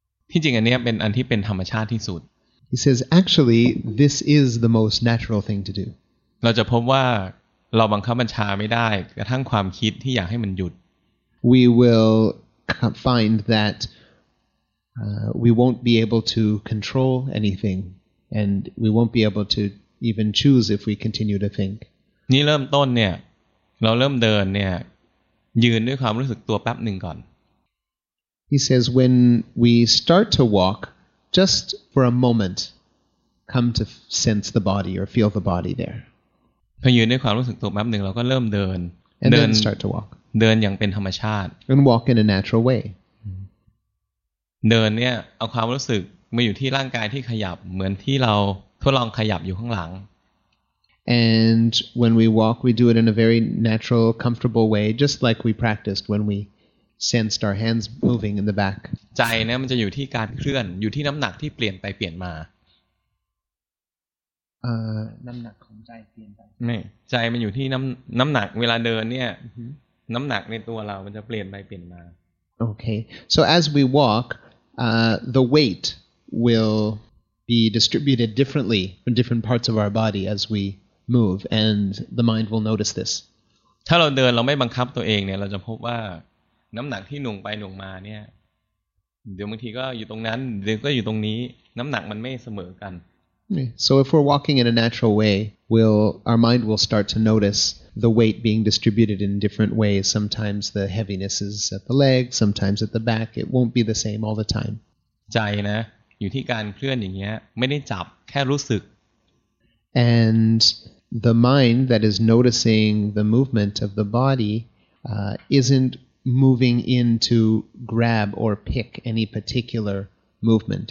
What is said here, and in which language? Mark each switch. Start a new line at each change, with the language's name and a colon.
Thai: ที่จริงอันนี้เป็นอันที่เป็นธรรมชาติที่สุด
English: He says actually this is the most natural thing to do
Thai: เราจะพบว่าเราบังคับบัญชาไม่ได้กระทั่งความคิดที่อยากให้มันหยุด
English: We will find that we won't be able to control anything and we won't be able to even choose if we continue to think
Thai: นี่เริ่มต้นเนี่ยเราเริ่มเดินเนี่ยยืนด้วยความรู้สึกตัวแป๊บนึงก่อน
English: He says, when we start to walk, just for a moment, come to sense the body or feel the body there.
Thai: พอยืนในความรู้สึกตัวแป๊บหนึ่งเราก็เริ่มเดิน
English: And then start to walk.
Thai: เดินอย่างเป็นธรรมชาติ
English: And walk in a natural way.
Thai: เดินเนี่ยเอาความรู้สึกมาอยู่ที่ร่างกายที่ขยับเหมือนที่เราทดลองขยับอยู่ข้างหลัง
English: And when we walk, we do it in a very natural, comfortable way, just like we practiced when weSensed our hands moving in the back.
Thai: ใจเนี่ยมันจะอยู่ที่การเคลื่อนอยู่ที่น้ำหนักที่เปลี่ยนไปเปลี่ยนมา น้ำหนักของใจเปลี่ยนไป ไม่ใจมันอยู่ที่น้ำหนักเวลาเดินเนี่ยน้ำหนักในตัวเรามันจะเปลี่ยนไปเปลี่ยนมา
English: Okay. So as we walk, the weight will be distributed differently in different parts of our body as we move, and the mind will notice this.
Thai: ถ้าเราเดินเราไม่บังคับตัวเองเนี่ยเราจะพบว่าน้ำหนักที่หน่วงไปหน่วงมาเนี่ยเดี๋ยวบางทีก็อยู่ตรงนั้นเดี๋ยวก็อยู่ตรงนี้น้ำหนักมันไม่เสมอกัน
English: So if we're walking in a natural way, our mind will start to notice the weight being distributed in different ways. Sometimes the heaviness is at the leg, sometimes at the back. It won't be the same all the time.
Thai: ใจนะอยู่ที่การเคลื่อนอย่างเงี้ยไม่ได้จับแค่รู้สึก
English: And the mind that is noticing the movement of the body isn't moving in to grab or pick any particular movement.